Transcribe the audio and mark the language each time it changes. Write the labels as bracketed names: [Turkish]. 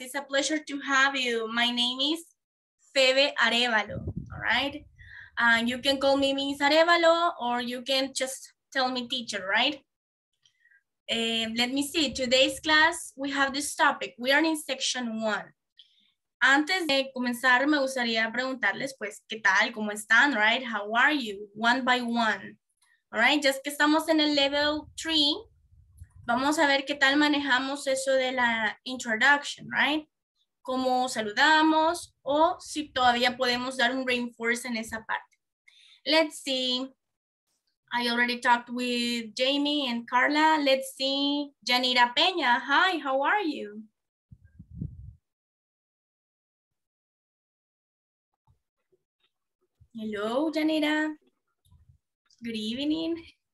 [English] It's a pleasure to have you. My name is Febe Arevalo, all right? You can call me Miss Arevalo, or you can just tell me teacher, right? Let me see, today's class, we have this topic. We are in section one. [Spanish] Antes de comenzar, me gustaría preguntarles, pues, ¿qué tal? ¿Cómo están? [English] Right? How are you? One by one. All right, just [Spanish] que estamos en el [English] level three, [Spanish] vamos a ver qué tal manejamos eso de la introduction, right? Cómo saludamos, o si todavía podemos dar un reinforce en esa parte. [English] Let's see, I already talked with Jamie and Carla. Let's see, Janira Peña, hi, how are you? Hello, Janira, good evening.